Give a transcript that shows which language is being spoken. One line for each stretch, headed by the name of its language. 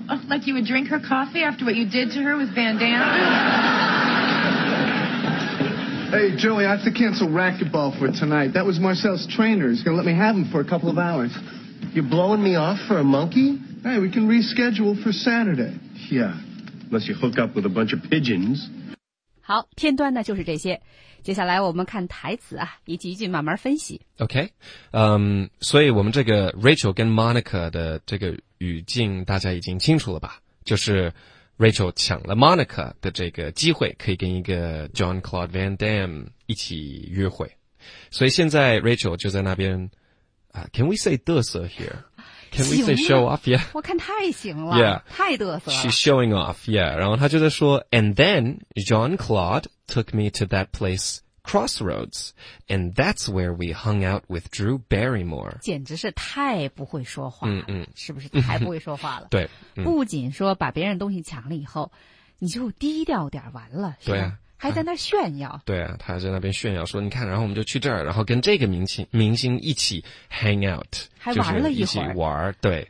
English: Oh, like you would drink her coffee after what you did to her with Van Damme? Hey, Joey, I have to cancel racquetball for tonight. That was Marcel's trainer. He's going to let me have him for a couple of hours. You're blowing me off for a monkey? Hey, we can reschedule for Saturday. Yeah, unless you hook up with a bunch of pigeons.
Chinese: 好，片段呢就是这些。接下来我们看台词啊，一句一句慢慢分析。 OK， 所以我们这个 Rachel 跟 Monica 的这个语境大家已经清楚了吧？就是 Rachel 抢了 Monica 的这个机会，可以跟一个 John Claude Van Damme 一起约会。所以现在 Rachel 就在那边啊、，
English: Can we say 嘚瑟 here？ Can we say show off? Yeah.
Chinese: 我看太行了。
English: Yeah.
Chinese: 太得瑟了。
English: She's showing off. Yeah.
Chinese: 然后她就在说
English: And then Jean-Claude took me to that place Crossroads. And that's where we hung out with Drew Barrymore.
Chinese: 简直是太不会说话了。嗯嗯、是不是太不会说话了。对、嗯。不仅说把别人东西抢了以后你就低调点完了。对啊。还在那炫耀。对啊。她在那边炫耀说你看然后我们就去这儿然后跟这个明星一起 hang out。还玩了一会儿，就是、玩对、